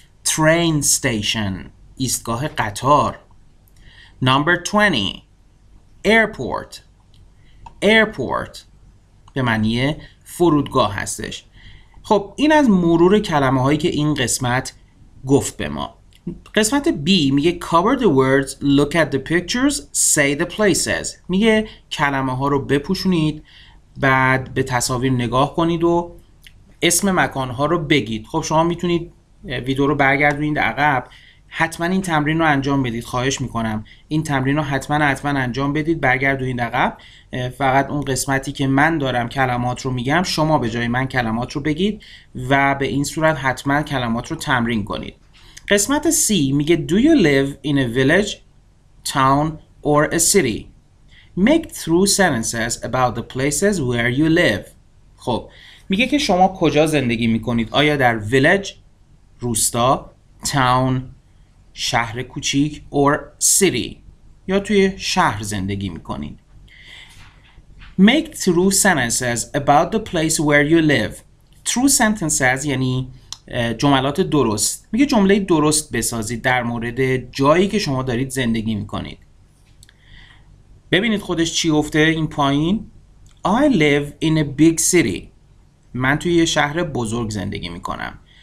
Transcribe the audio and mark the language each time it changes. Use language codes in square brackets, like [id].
[en] Train station, [fa] ایستگاه قطار. [en] Number 20, airport. [fa] Airport به معنی فرودگاه هستش. خب این از مرور کلمه هایی که این قسمت گفت به ما. قسمت B میگه [en] cover the words, look at the pictures, say the places. [fa] میگه کلمه ها رو بپوشونید، بعد به تصاویر نگاه کنید و اسم مکان ها رو بگید. خب شما میتونید ویدیو رو برگردونید عقب، حتما این تمرین رو انجام بدید. خواهش میکنم این تمرین رو حتما انجام بدید، برگردونید عقب. فقط اون قسمتی که من دارم کلمات رو میگم، شما به جای من کلمات رو بگید و به این صورت حتما کلمات رو تمرین کنید. قسمت C میگه [en] Do you live in a village, town or a city? Make through sentences about the places where you live. [fa] خب میگه که شما کجا زندگی میکنید؟ آیا در village، روستا، تاون، شهر کوچیک، or city، یا توی شهر زندگی میکنین؟ [en] Make true sentences about the place where you live. [fa] True sentences یعنی جملات درست. میگه جمله درست بسازید در مورد جایی که شما دارید زندگی میکنید. ببینید خودش چی گفته این پایین. [en] I live in a big city. [fa] من توی یه شهر بزرگ زندگی میکنم.